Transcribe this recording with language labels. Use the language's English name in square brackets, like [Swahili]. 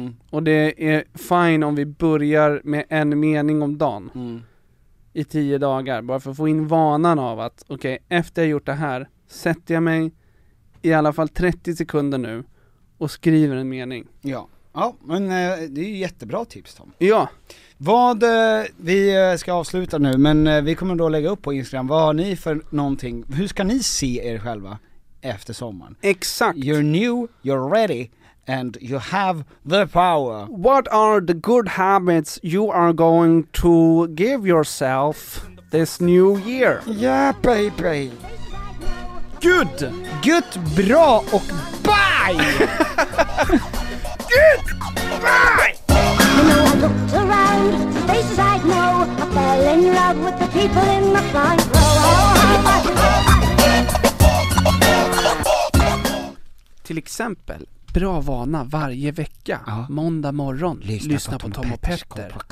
[Swedish] Och det är fine om vi börjar med en mening om dagen i 10 dagar, bara för att få in vanan av att okej, efter jag gjort det här sätter jag mig i alla fall 30 sekunder nu och skriver en mening. Ja, ja, men det är ju jättebra tips, Tom. Ja. Vad vi ska avsluta nu, men vi kommer då lägga upp på Instagram, vad har ni för någonting, hur ska ni se er själva efter sommaren? Exakt. [English] You're new, you're ready, and you have the power. What are the good habits you are going to give yourself this new year? Yeah, baby. Good. Good, [Swedish] bra och [English] bye. Good, bye. You know, I looked around, faces I know, I fell in love with the people in the front row. [Swedish] Till exempel, bra vana varje vecka, ja, måndag morgon, lyssna på Tom och Petter.